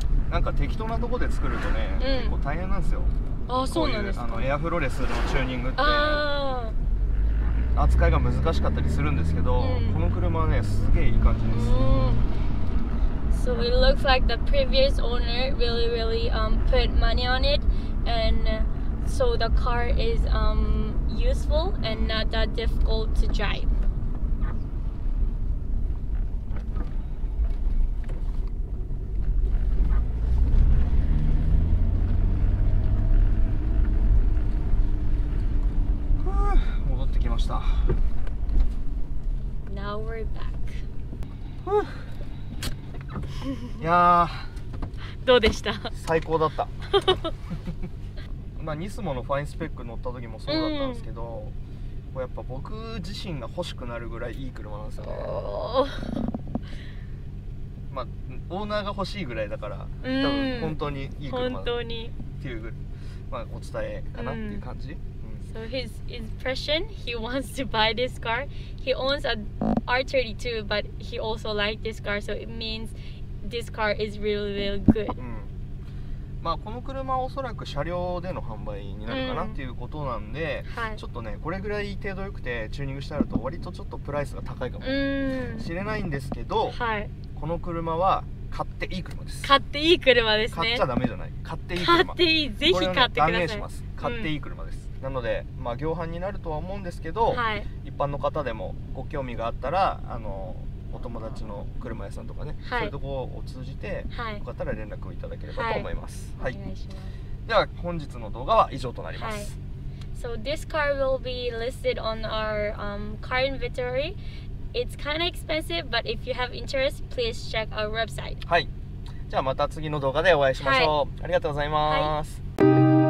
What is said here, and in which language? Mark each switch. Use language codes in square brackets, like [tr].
[ja] なんか適当なとこで作るとね、結構大変なんですよ。あ、そうなんですか。こういうエアフロレスのチューニングって扱いが難しかったりするんですけど、この車はね、すげえいい感じです。 [en] So it looks like the previous owner really really put money on it and so the car is useful and not that difficult to drive. [ja] はあ、戻ってきました。 [en] Now we're back. [ja] いやどうでした？最高だったまあ、ニスモのファインスペック乗った時もそうだったんですけど、やっぱ僕自身が欲しくなるぐらいいい車なんですよね。まあオーナーが欲しいぐらいだから、多分本当にいい車本当にっていう、まあ、お伝えかなっていう感じ。 [en] So his impression, he wants to buy this car. He owns an R32, but he also likes this car. So it means this car is really, really good. [ja] まあこの車はおそらく車両での販売になるかなっていうことなんで、ちょっとねこれぐらい程度良くてチューニングしてあると割とちょっとプライスが高いかもしれないんですけど、この車は買っていい車です。買っていい車ですね。買っちゃダメじゃない。買っていい車。買っていい。ぜひ買ってください。断言します。買っていい車です。なのでまあ行販になるとは思うんですけど、一般の方でもご興味があったらあの。お友達の車屋さんとかね、そういうところを通じて、よかったら連絡をいただければと思います。はい。はい、お願いします。では本日の動画は以上となります。は [en] い、so this car will be listed on our car inventory. It's kind of expensive, but if you have interest, please check our website. [ja] はい。じゃあまた次の動画でお会いしましょう。はい、ありがとうございます。はい。